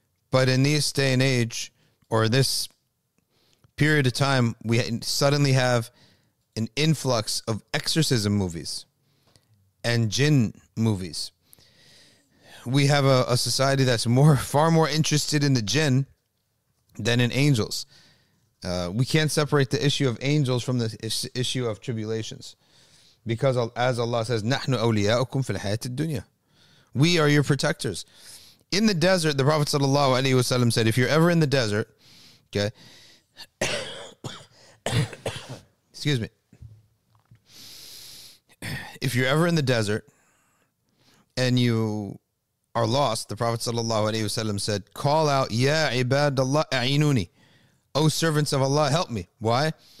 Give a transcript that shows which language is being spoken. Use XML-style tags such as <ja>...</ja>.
<en>But in this day and age, or this period of time, we suddenly have an influx of exorcism movies and jinn movies. We have a society that's far more interested in the jinn than in angels. We can't separate the issue of angels from the issue of tribulations. Because as Allah says,</en> <ar>نَحْنُ أَوْلِيَاءُكُمْ فِي الْحَيَاةِ الدُّنْيَا.</ar> <en>We are your protectors. In the desert, the Prophet sallallahu alaihi wasallam said, if you're ever in the desert, okay, excuse me, if you're ever in the desert and you are lost, the Prophet sallallahu alaihi wasallam said, call out,</en> <ar>Ya ibadallah a'inuni,</ar> <en>O servants of Allah, help me. Why?</en>